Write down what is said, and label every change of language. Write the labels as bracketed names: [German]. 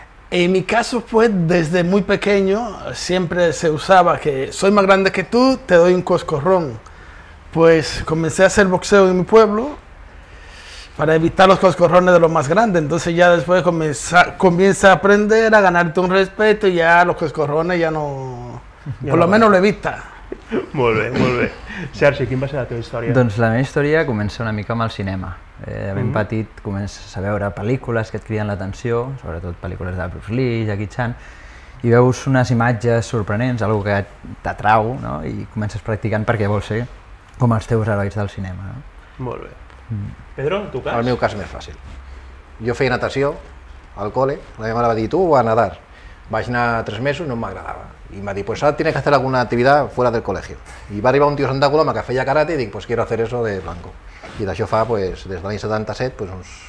[Spanish] En mi caso fue desde muy pequeño, siempre se usaba que soy más grande que tú, te doy un coscorrón. Pues comencé a hacer boxeo en mi pueblo para evitar los coscorrones de los más grandes. Entonces ya después comienza a aprender a ganarte un respeto y ya los coscorrones ya no... Ya por no lo va. Menos lo evita. [Catalan] Molt bé, molt bé. Sergi, quin va ser la teva història? Doncs la meva història comença una mica amb el cinema. Ben petit comences a veure pel·lícules que et criden l'atenció, sobretot pel·lícules de Bruce Lee, Jackie Chan, i veus unes imatges sorprenents, algo que t'atrau, no? I comences practicant perquè vols ser com els teus herois del cinema. Molt bé. Pedro, en tu cas? El meu cas més fàcil. Jo feia natació al col·le, la meva mare va dir, tu vas a nadar. Vaig anar 3 mesos i no m'agradava. I m'ha dit, pues ara [Spanish] tienes que hacer alguna actividad fuera del colegio. [Catalan] I va arribar un tio Santa Coloma que feia karate i dic, [Spanish] pues quiero hacer eso de blanco. [Catalan] I d'això fa, pues, des de l'any 77, pues uns...